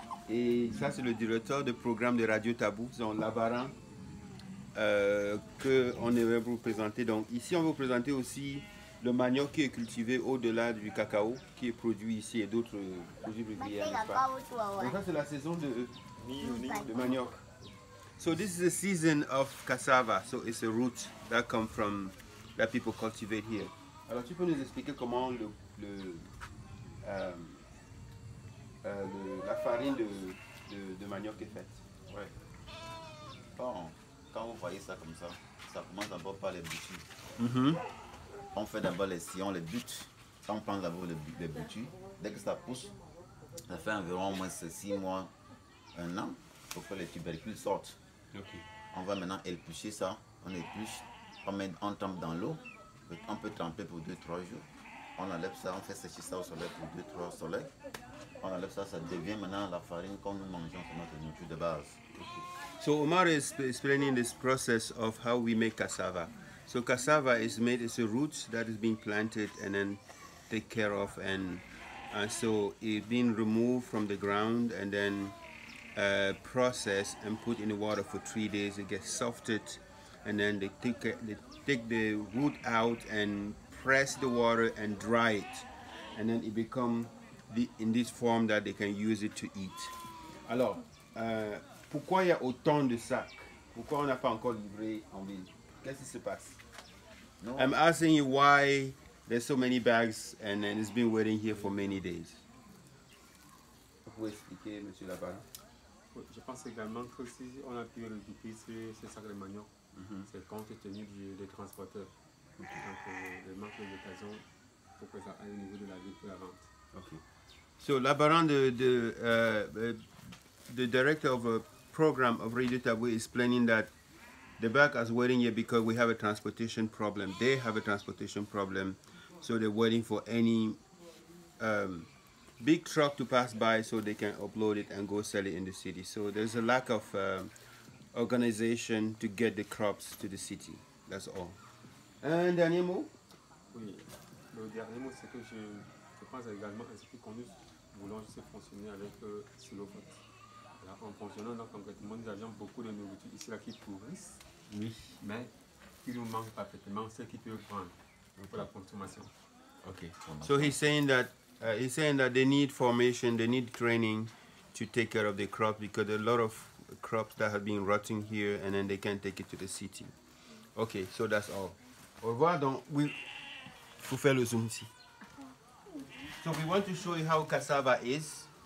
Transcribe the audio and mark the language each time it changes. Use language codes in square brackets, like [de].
[fr] Et ça c'est le directeur de programme de Radio Tabou, c'est Labaran, qu'on aimerait vous présenter. Donc ici on va vous présenter aussi le manioc qui est cultivé au-delà du cacao, qui est produit ici et d'autres produits de Guyane. Donc ça c'est la saison de manioc. [en] So this is the season of cassava, so it's a root that comes from that people cultivate here. [fr] Alors tu peux nous expliquer comment la farine de manioc est faite? Ouais. Bon, quand vous voyez ça comme ça, ça commence d'abord par les boutures. On fait d'abord les sillons, les buts. On prend d'abord les butus. Dès que ça pousse, ça fait environ au moins 6 mois, 1 an, pour que les tubercules sortent. Okay. On va maintenant éplucher ça. On épluche, on trempe dans l'eau. On peut tremper pour 2-3 jours. On enlève ça, on fait sécher ça au soleil pour 2-3 soleils. On enlève ça, ça devient maintenant la farine qu'on nous mangeons pour notre nourriture de base. Okay. [en] So Omar is explaining this process of how we make cassava. So cassava is made, it's a root that is being planted and then take care of, and so it's been removed from the ground and then processed and put in the water for 3 days. It gets softened and then they take the root out and press the water and dry it, and then it become in this form that they can use it to eat. [fr] Alors, pourquoi il y a autant de sacs? Pourquoi on n'a pas encore livré en ville? Qu'est-ce qui se passe? No. [en] I'm asking you why there's so many bags and then it's been waiting here for many days. [fr] Vous expliquez, monsieur Labaran? Je pense également que si on a pu récupérer ce sac de manioc, c'est compte tenu des transporteurs. Donc, il manque d'occasion pour que ça aille au niveau de la ville pour la vente. Ok. [en] So, Labaran, the director of a program of Radio Tabou, is explaining that the bag is waiting here because we have a transportation problem. They have a transportation problem, so they're waiting for any big truck to pass by so they can upload it and go sell it in the city. So there's a lack of organization to get the crops to the city. That's all. [fr] Un dernier mot? Oui, le dernier mot, c'est que je pense également à ce que nous voulons juste fonctionner avec Slow Food. Alors, en fonctionnant, donc, concrètement, nous avions beaucoup de nourriture ici-là qui pourrissent. Oui. Mais il nous manque parfaitement ce qu'il peut prendre pour la consommation. Ok. [en] So he's saying that they need formation, they need training to take care of the crop because there are a lot of crops that have been rotting here and then they can't take it to the city. Ok, so that's all. [fr] Au revoir donc. Il faut faire le zoom ici. [en] So we want to show you how cassava is.